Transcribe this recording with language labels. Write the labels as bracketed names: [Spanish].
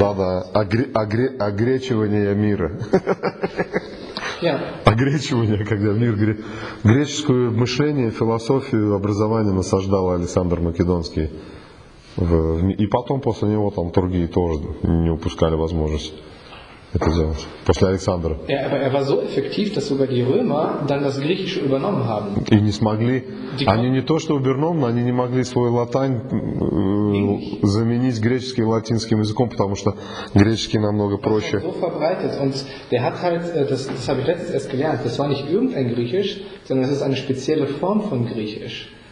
[Russian] Да-да, огречивание мира. Yeah. Огречивание, когда мир... Греческое мышление, философию, образование насаждал Александр Македонский. И потом после него там другие тоже не упускали возможность. Это делать. После Александра. [German] Er war so effektiv, dass sogar die Römer dann das Griechische übernommen haben. [Russian] И не смогли. Они не то что убернули, они не могли свой латынь заменить греческим латинским языком, потому что греческий намного проще. [German] So verbreitet und der hat halt, das habe ich letztens erst gelernt, das war nicht irgendein Griechisch, sondern es ist eine spezielle Form von Griechisch.